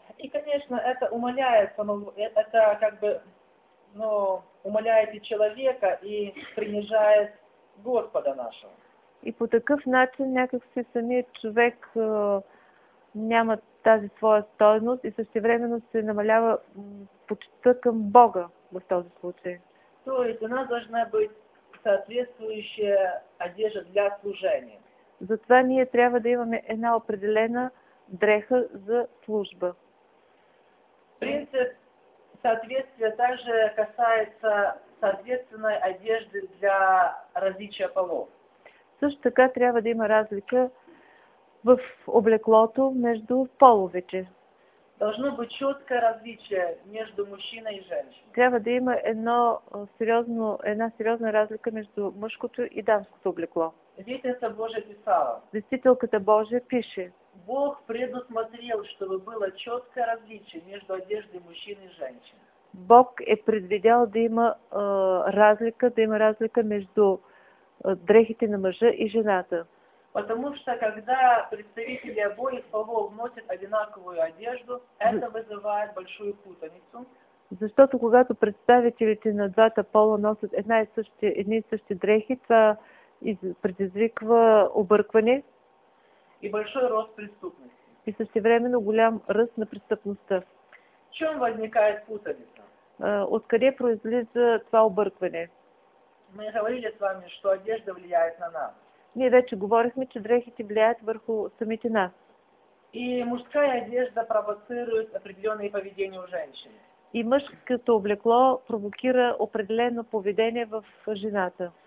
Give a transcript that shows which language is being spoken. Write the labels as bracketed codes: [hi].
[ru] И, конечно, это умаляет самого, это умаляет и человека, и принижает Господа нашего. [bg] И по такъв начин някакси самият човек няма тази своя стойност и същевременно се намалява почитта към Бога в този случай. [ru] Тоест, у нас должна быть соответствующая одежда для служения. [bg] Затова ние трябва да имаме една определена дреха за служба. [ru] Принцип соответствия также касается соответственной одежды для различия полов. [bg] Също така трябва да има разлика в облеклото между половете. [ru] Должно быть четкое различие между мужчиной и женщиной. [bg] Трябва да има една сериозна разлика между мъжкото и дамското облекло. [ru] Вестница Божия писала. [bg] Вестителката Божия пише. [ru] Бог предусмотрел, чтобы было четкое различие между одеждой мужчины и женщины. [bg] Бог е предвидял да има разлика, между дрехите на мъжа и жената. [ru] Потому что когда представители обоих полов носят одинаковую одежду, это вызывает большую путаницу. [bg] Защото когато представителите на двата пола носят едни и същи дрехи, това предизвиква объркване. [ru] И большой рост преступности. [bg] И същевременно голям ръст на престъпността. [ru] В чем възникает путаница? [bg] Откъде произлиза това объркване? [ru] Мы говорили с вами, что одежда влияет на нас. [bg] Ние вече говорихме, че дрехите влияят върху самите нас. [ru] И мужская одежда провоцирует определенные поведения у женщин. [bg] И мъжкото облекло провокира определено поведение в жената.